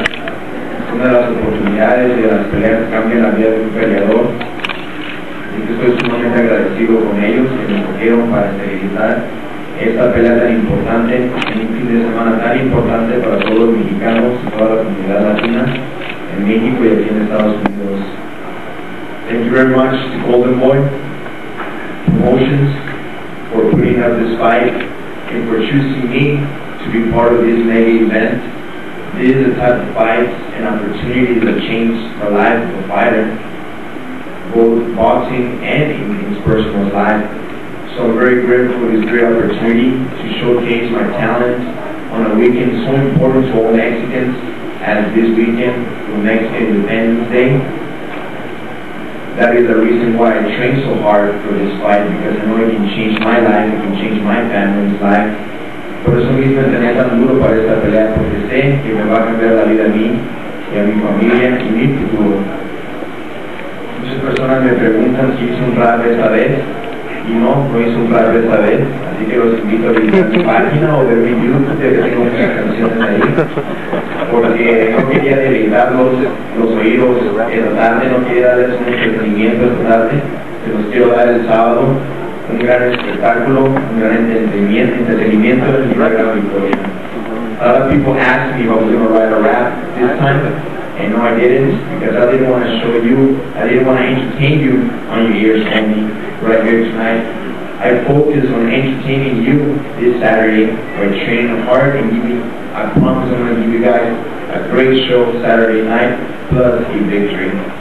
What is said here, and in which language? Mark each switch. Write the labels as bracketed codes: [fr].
[es] Es una de las oportunidades y de las peleas que cambian la vida de un peleador. Y que estoy sumamente agradecido con ellos que me escogieron para esterilizar esta pelea tan importante, en un fin de semana tan importante para todos los mexicanos y toda la comunidad latina en México y aquí en Estados Unidos. [en] Thank you very much to Golden Boy Promotions for putting up this fight and for choosing me to be part of this mega event. This is the type of fight and opportunity to change the life of a fighter, both boxing and in his personal life. So I'm very grateful for this great opportunity to showcase my talent on a weekend so important to all Mexicans as this weekend, for Mexican Independence Day. That is the reason why I train so hard for this fight, because I know it can change my life, it can change my family's life. [es] Por eso mismo entrené tan duro para esta pelea, porque sé que me va a cambiar la vida a mí y a mi familia y mi futuro. Muchas personas me preguntan si hice un rap esta vez, y no, no hice un rap esta vez, así que los invito a visitar mi página o ver mi YouTube, que tengo muchas canciones ahí, porque no quería deleitar los oídos esta tarde, no quería darles un entretenimiento esta tarde, se los quiero dar el sábado, un gran espectáculo, un gran entretenimiento y una gran victoria. [en] A lot of people ask me if I was going to write a rap this time, and no, I didn't, because I didn't want to show you, I didn't want to entertain you on your ears only right here tonight. I focus on entertaining you this Saturday by training hard and giving, I promise I'm going to give you guys a great show Saturday night plus a victory.